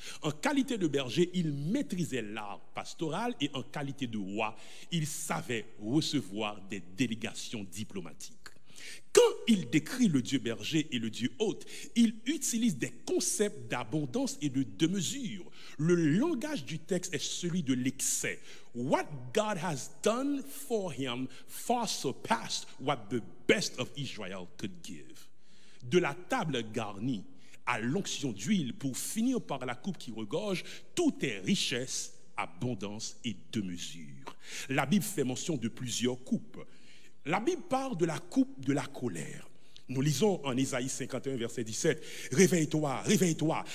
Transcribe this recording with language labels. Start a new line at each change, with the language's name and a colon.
French: En qualité de berger, il maîtrisait l'art pastoral et en qualité de roi, il savait recevoir des délégations diplomatiques. Quand il décrit le Dieu berger et le Dieu hôte, il utilise des concepts d'abondance et de démesure. Le langage du texte est celui de l'excès.
English: What God has done for him far surpassed what the best of Israel could give.
French: De la table garnie à l'onction d'huile pour finir par la coupe qui regorge, tout est richesse, abondance et démesure. La Bible fait mention de plusieurs coupes. La Bible parle de la coupe de la colère. Nous lisons en Isaïe 51, verset 17. Réveille-toi, réveille-toi.